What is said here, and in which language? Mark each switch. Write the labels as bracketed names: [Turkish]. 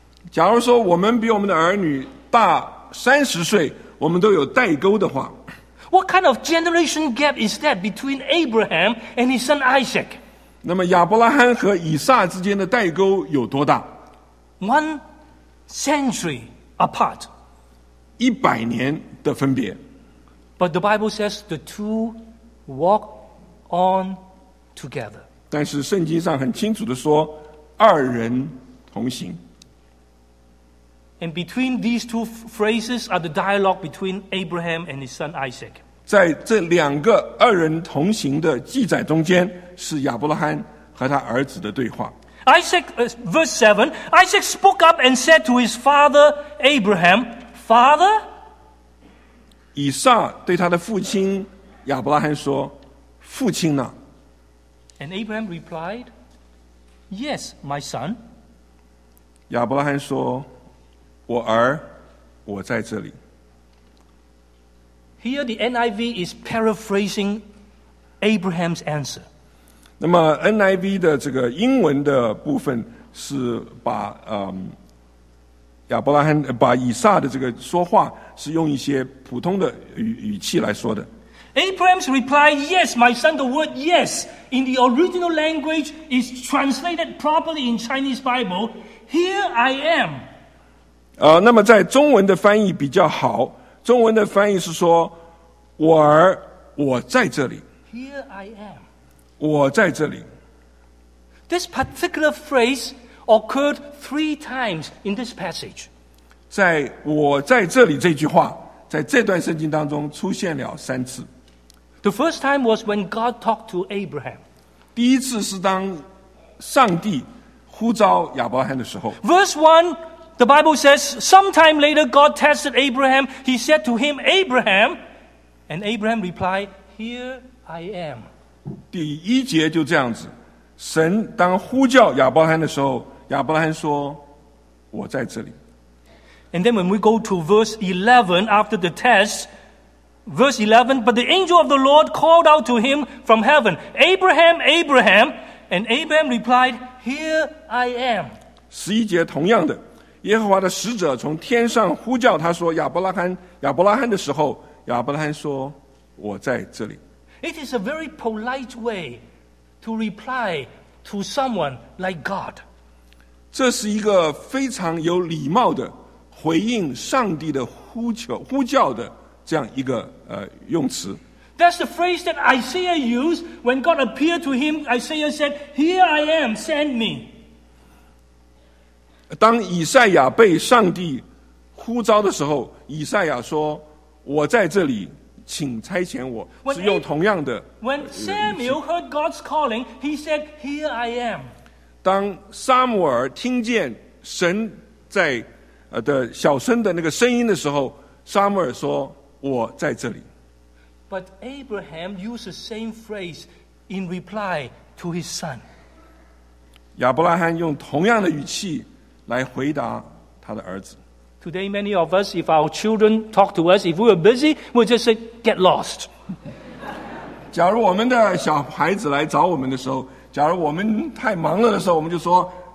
[Chinese] 假如说我们比我们的儿女大30岁，我们都有代沟的话， [English] What kind of generation gap is that between Abraham and his son Isaac? [Chinese] 那么亚伯拉罕和以撒之间的代沟有多大？ [English] One century apart. [Chinese] 100年的分别。 [English] But the Bible says the two walk on together. [Chinese] 但是圣经上很清楚地说，二人同行。 [English] And between these two phrases are the dialogue between Abraham and his son Isaac. [Chinese] 在这两个二人同行的记载中间，是亚伯拉罕和他儿子的对话。 [English] Isaac, verse 7, Isaac spoke up and said to his father Abraham, Father? [Chinese] 以撒对他的父亲亚伯拉罕说，父亲呢？ [English] And Abraham replied, Yes, my son. [Chinese] 亚伯拉罕说，我儿，我在这里。 [English] Here the NIV is paraphrasing Abraham's answer. [Chinese] 那么 NIV 的这个英文的部分是把亚伯拉罕把以撒的这个说话是用一些普通的 语气来说的。 [English] Abraham's reply, yes, my son, the word yes in the original language is translated properly in Chinese Bible. Here I am. [Chinese] 那么在中文的翻译比较好，中文的翻译是说，我儿，我在这里。 [English] Here I am. [Chinese] 我在这里。 [English] This particular phrase occurred three times in this passage. [Chinese] 在我在这里这句话，在这段圣经当中出现了三次。 [English] The first time was when God talked to Abraham. [Chinese] 第一次是当上帝呼召亚伯拉罕的时候。 [English] Verse 1, the Bible says, sometime later God tested Abraham. He said to him, Abraham, and Abraham replied, here I am. [Chinese] 第一节就这样子，神当呼叫亚伯拉罕的时候，亚伯拉罕说，我在这里。 [English] And then when we go to verse 11 after the test,Verse 11, but the angel of the Lord called out to him from heaven, Abraham, Abraham, and Abraham replied, here I am. [Chinese] 十一节同样的，耶和华的使者从天上呼叫他说，亚伯拉罕，亚伯拉罕的时候，亚伯拉罕说，我在这里。 [English] It is a very polite way to reply to someone like God. [Chinese] 这是一个非常有礼貌的回应上帝的呼求，呼叫的这样一个用词。 [English] That's the phrase that Isaiah used when God appeared to him. Isaiah said, "Here I am, send me." [Chinese] 当以赛亚被上帝呼召的时候，以赛亚说：“我在这里，请差遣我。” 是用同样的。 [English] When Samuel heard God's calling, he said, "Here I am." [Chinese] 当撒母耳听见神在的小声的那个声音的时候，撒母耳说。我在这里。 [English] But Abraham used the same phrase in reply to his son. [Chinese] 亚伯拉罕用同样的语气来回答他的儿子。 [English] Today, many of us, if our children talk to us, if we are busy, we just say, get lost. [Chinese] 假如我们的小孩子来找我们的时候，假如我们太忙了的时候，我们就说，